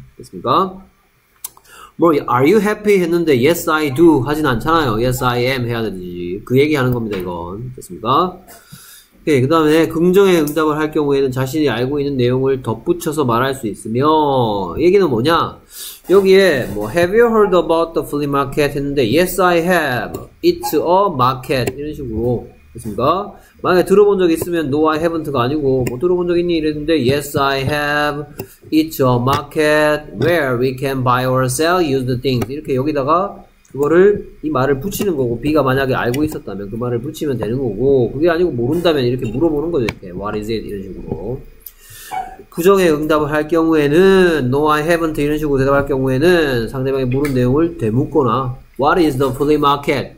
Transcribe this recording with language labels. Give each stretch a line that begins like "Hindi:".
English: 됐습니까? 뭐, Are you happy? 했는데 Yes, I do. 하진 않잖아요. Yes, I am. 해야 되지.
Korean: 그 얘기 하는 겁니다, 이건. 됐습니까? 오케이. 그 다음에 긍정의 응답을 할 경우에는 자신이 알고 있는 내용을 덧붙여서 말할 수 있으며, 얘기는 뭐냐?
English: 여기에 뭐 Have you heard about the flea market? 했는데 Yes, I have. It's a market. 이런 식으로. 됐습니까?
Korean: 만약에 들어본 적 있으면 No, I haven't 가 아니고 뭐 들어본 적 있니? 이랬는데 Yes, I have.
English: It's a market where we can buy or sell used things.
Korean: 이렇게 여기다가 그거를 이 말을 붙이는 거고 B가 만약에 알고 있었다면 그 말을 붙이면 되는 거고 그게 아니고 모른다면 이렇게 물어보는 거죠. 이렇게 What is it? 이런 식으로. 부정의 응답을 할 경우에는 No, I haven't 이런 식으로 대답할 경우에는 상대방이 물은 내용을 되묻거나 What is the flea market?